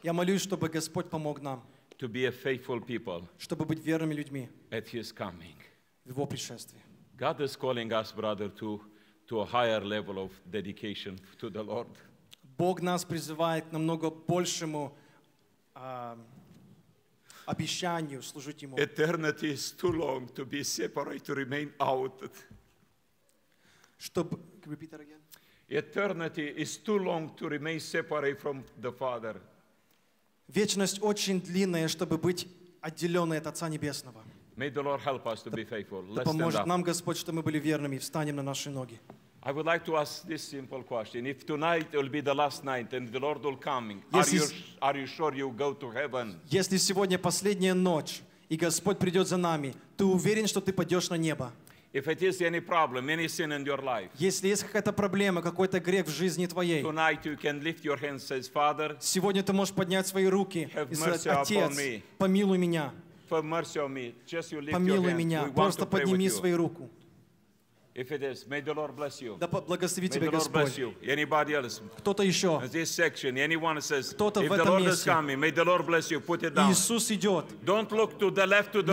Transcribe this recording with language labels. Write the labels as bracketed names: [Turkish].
[Russian] Я молюсь, чтобы Господь помог нам. [English] To be a faithful people. [Russian] Чтобы быть верными людьми. [English] At His coming. [Russian] В его пришествии. [English] God is calling us, brother, to to a higher level of dedication to the Lord. [Russian] Бог нас призиває к намного большему обещанию служить ему. [English] Eternity is too long to be separate, to remain out. [Russian] Чтоб, [English] can you repeat that again? Eternity is too long to remain separate from the Father. [Russian] Вечность очень длинная, чтобы быть отделённой от Отца Небесного. [English] May the Lord help us to be faithful. Let's stand up. [Russian] Поможет нам Господь, чтобы мы были верными, встанем на наши ноги. [English] I would like to ask this simple question. If tonight will be the last night and the Lord will come, are you sure you go to heaven? [Russian] Если сегодня последняя ночь и Господь придёт за нами, ты уверен, что ты пойдёшь на небо? [English] If it is any problem, any sin in your life. [Russian] Если есть какая-то проблема, какой-то грех в жизни твоей. [English] Tonight you can lift your hands and say, Father. [Russian] Сегодня ты можешь поднять свои руки и сказать, Отец, помилуй меня. [English] For mercy on me. Just you lift [Russian] помилуй [English] your [Russian] меня. [English] Hand. [Russian] Просто подними свою руку. [English] If it is, may the Lord bless you. [Russian] Да благослови тебя Господь. [English] May the Lord bless you. Anybody else? [Russian] Кто-то ещё? [English] In this section, anyone says, [Russian] кто-то [English] if the Lord is coming, may the Lord bless you. Put it down. [Russian] Иисус идёт. [English] Don't look to the left, to the